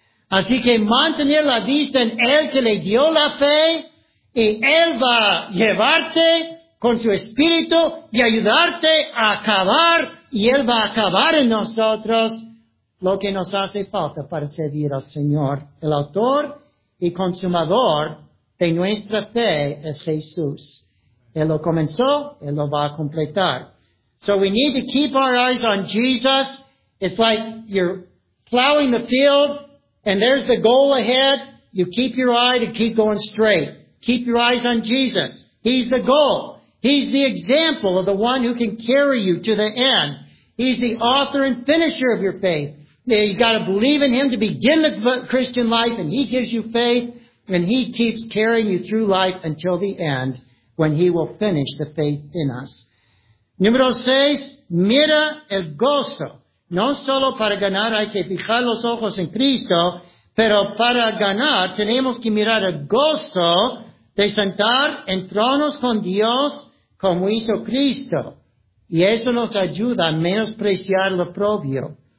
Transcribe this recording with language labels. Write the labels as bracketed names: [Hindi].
[Spanish] Así que mantener la vista en Él que le dio la fe, y Él va a llevarte con su Espíritu y ayudarte a acabar, y Él va a acabar en nosotros lo que nos hace falta para servir al Señor. El autor y consumador de nuestra fe es Jesús. Él lo comenzó, Él lo va a completar. [English] So we need to keep our eyes on Jesus. It's like you're plowing the field and there's the goal ahead. You keep your eye to keep going straight. Keep your eyes on Jesus. He's the goal. He's the example of the one who can carry you to the end. He's the author and finisher of your faith. You got to believe in Him to begin the Christian life, and He gives you faith, and He keeps carrying you through life until the end, when He will finish the faith in us. [Spanish] Número 6, mira el gozo. No solo para ganar hay que fijar los ojos en Cristo, pero para ganar tenemos que mirar el gozo de sentar en tronos con Dios como hizo Cristo. Y eso nos ayuda a menospreciar lo propio.